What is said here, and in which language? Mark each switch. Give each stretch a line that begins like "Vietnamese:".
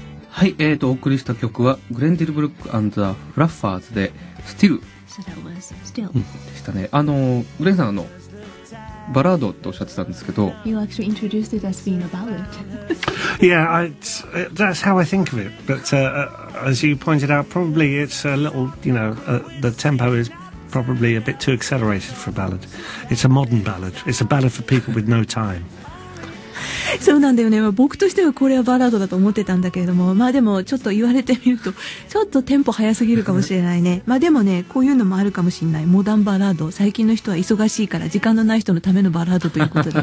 Japanese: はい、お送りした曲はグレンディルブルック&ザ・フラッファーズで Still、 でしたね。グレンさん、バラードとおっしゃってたんですけど、
English: You actually introduced it as being a ballad. Yeah, that's how I think of it. But as you pointed out, probably it's a little, you know, the tempo is probably a bit too accelerated for a ballad. It's a modern ballad. It's a ballad for people with no time.
Japanese: そうなんだよね、僕としてはこれはバラードだと思ってたんだけれども、まあでもちょっと言われてみるとちょっとテンポ早すぎるかもしれないね。まあでもね、こういうのもあるかもしれない、モダンバラード。最近の人は忙しいから時間のない人のためのバラードということだ